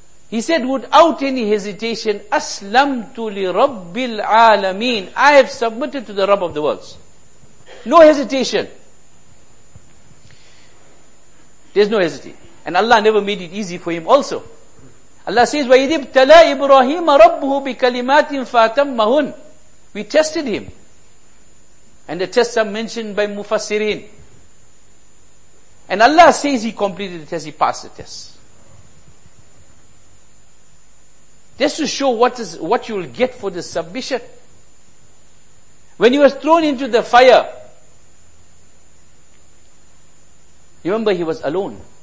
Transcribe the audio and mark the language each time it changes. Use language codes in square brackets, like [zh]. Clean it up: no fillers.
[en] He said, without any hesitation, [ar] أَسْلَمْتُ لِرَبِّ الْعَالَمِينَ. [en] I have submitted to the Rabb of the worlds. No hesitation. There's no hesitation. And Allah never made it easy for him also. Allah says, [ar] وَإِذِ ابْتَلَى إِبْرَاهِيمَ رَبُّهُ بِكَلِمَاتٍ فَاتَمَّهُنَّ. [en] We tested him. And the tests are mentioned by Mufassirin. And Allah says he completed the test, he passed the test. Just to show what you will get for the submission. When he was thrown into the fire, remember he was alone.